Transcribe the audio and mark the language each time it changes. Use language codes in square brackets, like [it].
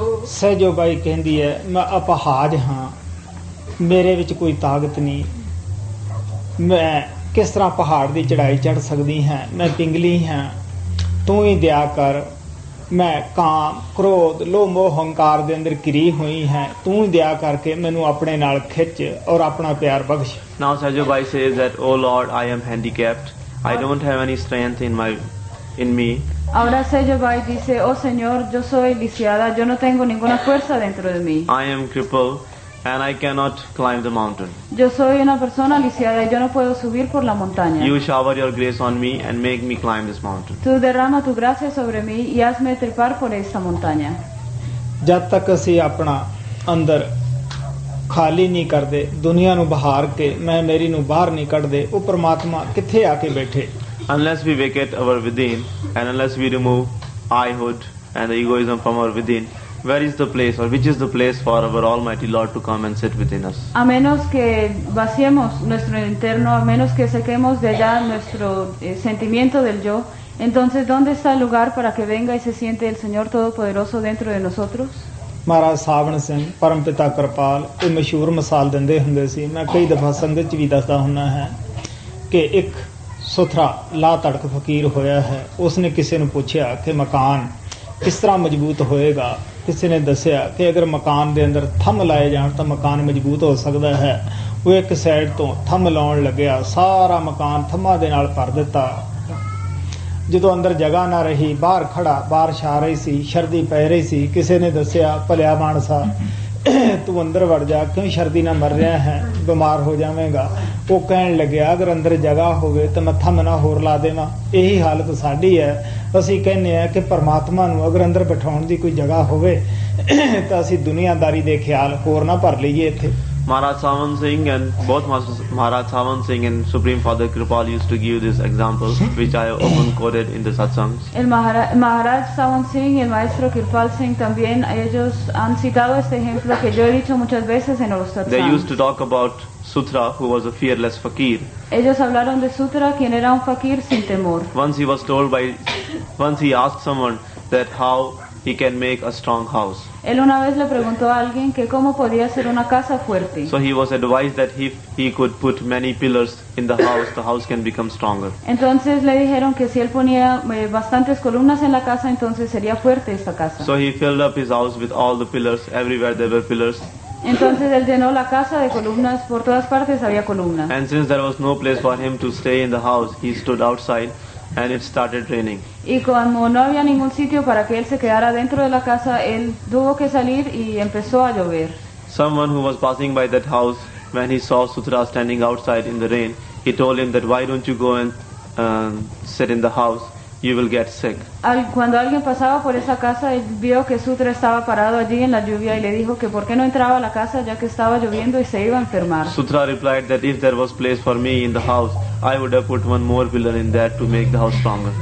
[pa] ਸਹਿਜੋ ਬਾਈ ਕਹਿੰਦੀ ਹੈ ਮੈਂ ਅਪਹਾਜ ਹਾਂ ਮੇਰੇ ਵਿੱਚ ਕੋਈ ਤਾਕਤ ਨਹੀਂ ਮੈਂ ਕਿਸ ਤਰ੍ਹਾਂ ਪਹਾੜ ਦੀ ਚੜ੍ਹਾਈ ਚੜ੍ਹ ਸਕਦੀ ਹਾਂ ਮੈਂ ਪਿੰਗਲੀ ਹਾਂ ਤੂੰ ਹੀ ਦਿਆ ਕਰ ਮੈਂ ਕਾਮ ਕ੍ਰੋਧ ਲੋਭ ਮੋਹ ਹੰਕਾਰ ਦੇ ਅੰਦਰ ਘਿਰੀ ਹੋਈ ਹੈ ਤੂੰ ਹੀ ਦਿਆ ਕਰਕੇ ਮੈਨੂੰ ਆਪਣੇ ਨਾਲ ਖਿੱਚ ਔਰ ਆਪਣਾ ਪਿਆਰ ਬਖਸ਼। [en] Now Sahajo Bhai says that, oh Lord, I am handicapped. I don't have any strength in me. [es] Ahora Sahajo Bhai dice, oh Señor, yo soy lisiada, yo no tengo ninguna fuerza dentro de mí. [en] I am crippled and I cannot climb the mountain. [es] Yo soy una persona lisiada, yo no puedo subir por la montaña. [en] You shower your grace on me and make me climb this mountain. [es] Tú derrama tu gracia sobre mí y hazme trepar por esta montaña. [pa] Jab tak asi apna andar ਖਾਲੀ ਨਹੀਂ ਕਰਦੇ ਦੁਨੀਆਂ ਨੂੰ ਬਹਾਰ ਕੇ ਮੈਂ ਮੇਰੀ ਨੂੰ ਬਾਹਰ ਨਹੀਂ ਕੱਢਦੇ ਉਹ ਪਰਮਾਤਮਾ ਕਿੱਥੇ ਆ ਕੇ ਬੈਠੇ। [en] Unless we vacate our within and unless we remove I-hood and the egoism from our within, where is the place or which is the place for our almighty Lord to come and sit within us? [es] A menos que vaciemos nuestro interno, a menos que sequemos de allá nuestro sentimiento del yo, entonces ¿dónde está el lugar para que venga y se siente el Señor Todopoderoso dentro de nosotros? [pa] ਮਹਾਰਾਜ ਸਾਵਣ ਸਿੰਘ ਪਰਮ ਪਿਤਾ ਕਿਰਪਾਲ ਇਹ ਮਸ਼ਹੂਰ ਮਿਸਾਲ ਦਿੰਦੇ ਹੁੰਦੇ ਸੀ ਮੈਂ ਕਈ ਦਫ਼ਾ ਸੰਗਤ 'ਚ ਵੀ ਦੱਸਦਾ ਹੁੰਦਾ ਹੈ ਕਿ ਇੱਕ ਸੁਥਰਾ ਲਾ ਧੜਕ ਫਕੀਰ ਹੋਇਆ ਹੈ ਉਸਨੇ ਕਿਸੇ ਨੂੰ ਪੁੱਛਿਆ ਕਿ ਮਕਾਨ ਕਿਸ ਤਰ੍ਹਾਂ ਮਜ਼ਬੂਤ ਹੋਏਗਾ ਕਿਸੇ ਨੇ ਦੱਸਿਆ ਕਿ ਅਗਰ ਮਕਾਨ ਦੇ ਅੰਦਰ ਥੰਮ ਲਾਏ ਜਾਣ ਤਾਂ ਮਕਾਨ ਮਜ਼ਬੂਤ ਹੋ ਸਕਦਾ ਹੈ ਉਹ ਇੱਕ ਸਾਈਡ ਤੋਂ ਥੰਮ ਲਾਉਣ ਲੱਗਿਆ ਸਾਰਾ ਮਕਾਨ ਥੰਮਾਂ ਦੇ ਨਾਲ ਭਰ ਦਿੱਤਾ ਜਦੋਂ ਅੰਦਰ ਜਗ੍ਹਾ ਨਾ ਰਹੀ ਬਾਹਰ ਖੜਾ ਬਾਰਿਸ਼ ਆ ਰਹੀ ਸੀ ਸ਼ਰਦੀ ਪੈ ਰਹੀ ਸੀ ਕਿਸੇ ਨੇ ਦੱਸਿਆ ਭਲਿਆ ਮਾਨਸਾ ਤੂੰ ਅੰਦਰ ਵੜ ਜਾ ਕਿਉਂ ਸ਼ਰਦੀ ਨਾ ਮਰ ਰਿਹਾ ਹੈ ਬਿਮਾਰ ਹੋ ਜਾਵੇਗਾ ਉਹ ਕਹਿਣ ਲੱਗਿਆ ਅਗਰ ਅੰਦਰ ਜਗ੍ਹਾ ਹੋਵੇ ਤਾਂ ਮੈਂ ਥੰਮ ਨਾ ਹੋਰ ਲਾ ਦੇਵਾਂ ਇਹੀ ਹਾਲਤ ਸਾਡੀ ਹੈ ਅਸੀਂ ਕਹਿੰਦੇ ਹਾਂ ਕਿ ਪਰਮਾਤਮਾ ਨੂੰ ਅਗਰ ਅੰਦਰ ਬਿਠਾਉਣ ਦੀ ਕੋਈ ਜਗ੍ਹਾ ਹੋਵੇ ਤਾਂ ਅਸੀਂ ਦੁਨੀਆਦਾਰੀ ਦੇ ਖਿਆਲ ਹੋਰ ਨਾ ਭਰ ਲਈਏ ਇੱਥੇ [en] Maharaj Sawan Singh and Supreme Father Kripal used to give this example, which I often quoted in the satsangs. [es] Maharaj Sawan Singh and Maestro Kripal Singh también, ellos han citado este ejemplo que yo he dicho muchas veces en los satsangs. [en] They used to talk about Sutra, who was a fearless fakir. [es] Ellos hablaron de Sutra, quien era un fakir sin temor. [en] Once he asked someone that how he can make a strong house. [es] Él una vez le preguntó a alguien que cómo podía ser una casa fuerte. [en] So he was advised that if he could put many pillars in the house can become stronger. [es] Entonces le dijeron que si él ponía bastantes columnas en la casa, entonces sería fuerte esta casa. [en] So he filled up his house with all the pillars, everywhere there were pillars. [es] Entonces él llenó la casa de columnas, por todas partes había columnas. [en] And since there was no place for him to stay in the house, he stood outside. And it started raining. [es] Y como no había ningún sitio para que él se quedara dentro de la casa, él tuvo que salir y empezó a llover. [en] Someone who was passing by that house, when he saw Sutra standing outside in the rain, he told him that why don't you go and sit in the house? You will get sick. [es] Cuando alguien pasaba por esa casa, él vio que Sutra estaba parado allí en la lluvia y le dijo que por qué no entraba a la casa ya que estaba lloviendo y se iba a enfermar. [en] Sutra replied that if there was place for me in the house, I would have put one more pillar in there to make the house stronger.